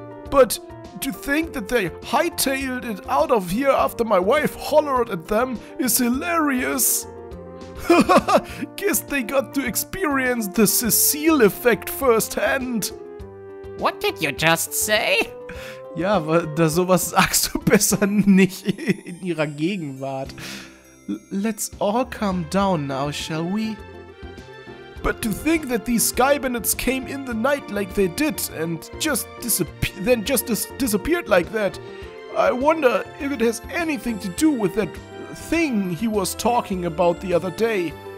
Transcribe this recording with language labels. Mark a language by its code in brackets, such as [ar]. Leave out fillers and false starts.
[en] But to think that they hightailed it out of here after my wife hollered at them is hilarious! Guess they got to experience the Cecile effect firsthand! What did you just say? [de] Ja, da sowas sagst du besser nicht in ihrer Gegenwart. [en] Let's all calm down now, shall we? But to think that these Sky Bandits came in the night like they did and just disappeared like that. I wonder if it has anything to do with that thing he was talking about the other day.